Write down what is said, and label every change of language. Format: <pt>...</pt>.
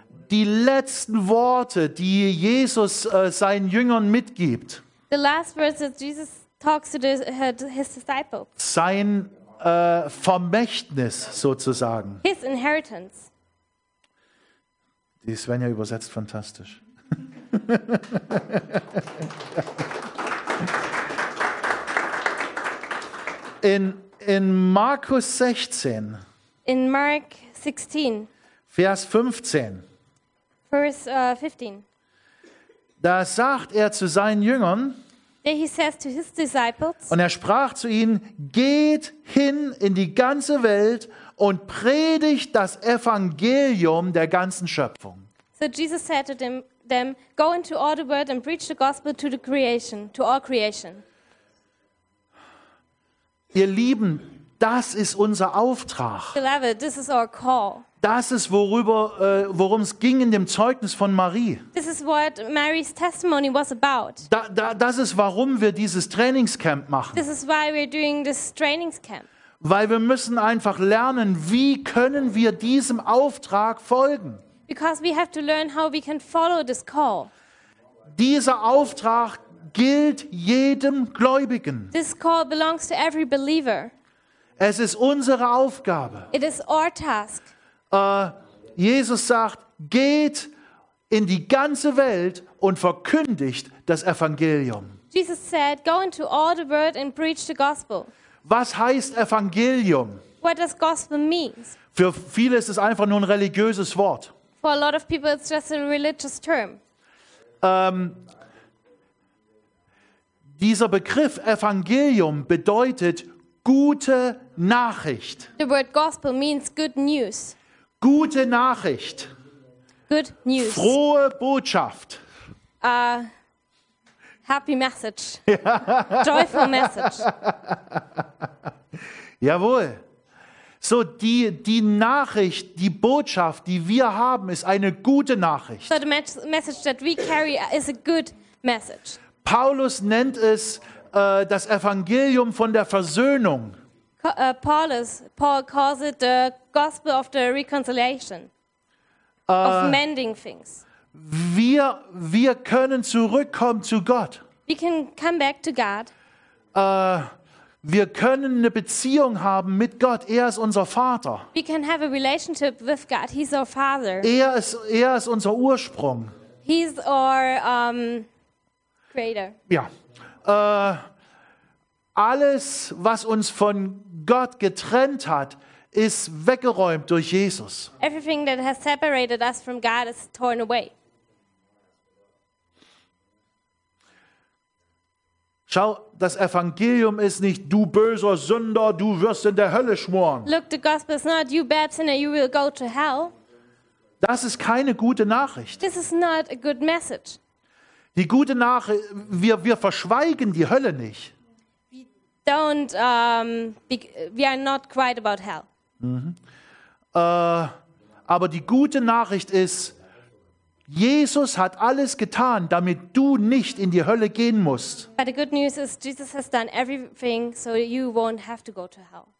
<de>Die letzten Worte, die Jesus seinen Jüngern mitgibt.</de> <en>The last words that Jesus talks to his disciples.</en> <de>Sein Vermächtnis sozusagen.</de> <en>His inheritance.</en> <de>Die Svenja übersetzt fantastisch. In Markus 16.</de> <en>In Mark 16.</en> <de>Vers 15.</de> <en>Verse 15.</en> <de>Da sagt er zu seinen Jüngern.</de> <en>He says to his disciples.</en> <de>Und er sprach zu ihnen: Geht hin in die ganze Welt und predigt das Evangelium der ganzen Schöpfung.</de> <en>So Jesus said to them, go into all the world and preach the gospel to the creation, to all creation.</en> <de>Ihr Lieben, das ist unser Auftrag.</de> <en>Beloved, this is our call.</en> <de>Das ist worum es ging in dem Zeugnis von Marie.</de> <en>This is what Mary's testimony was about.</en> <de>Das ist warum wir dieses Trainingscamp machen.</de> <en>This is why we're doing this Trainingscamp.</en> <de>Weil wir müssen einfach lernen, wie können wir diesem Auftrag folgen?</de> <en>Because we have to learn how we can follow this call.</en> <de>Dieser Auftrag gilt jedem Gläubigen.</de> <en>This call belongs to every believer.</en> <de>Es ist unsere Aufgabe.</de> <en>It is our task.</en> <de>Jesus sagt, geht in die ganze Welt und verkündigt das Evangelium.</de> <en>Jesus said, go into all the world and preach the gospel.</en> <de>Was heißt Evangelium?</de> <en>What does gospel mean?</en> <de>Für viele ist es einfach nur ein religiöses Wort.</de> <en>For a lot of people it's just a religious term.</en> <de>Dieser Begriff Evangelium bedeutet gute Nachricht.</de> <en>The word gospel means good news.</en> <de>Gute Nachricht.</de> <en>Good news.</en> <de>Frohe Botschaft.</de> <en>Happy message. Joyful message.</en> <de>Jawohl. So, die Nachricht, die Botschaft, die wir haben, ist eine gute Nachricht.</de> <en>So the message that we carry is a good message.</en> <de>Paulus nennt es das Evangelium von der Versöhnung.</de> <en>Paul calls it the gospel of the reconciliation, of mending things.</en> <de>Wir können zurückkommen zu Gott.</de> <en>We can come back to God.</en> <de>Wir können eine Beziehung haben mit Gott. Er ist unser Vater.</de> <en>We can have a relationship with God. He's our father.</en> <de>Er ist unser Ursprung.</de> <en>He's our creator.</en> <de>Ja. Alles, was uns von Gott getrennt hat, ist weggeräumt durch Jesus.</de> <en>Everything that has separated us from God is torn away.</en> <de>Schau, das Evangelium ist nicht, du böser Sünder, du wirst in der Hölle schmoren.</de> <en>Look, the gospel is not, you bad sinner, you will go to hell.</en> <de>Das ist keine gute Nachricht.</de> <en>This is not a good message.</en> <de>Die gute Nachricht, wir verschweigen die Hölle nicht.</de> <en>We don't, we are not quiet about hell. Mhm.</en> <de>Aber die gute Nachricht ist, Jesus hat alles getan, damit du nicht in die Hölle gehen musst.</de> <en>But the good news is Jesus has done everything so you won't have to go to hell.</en>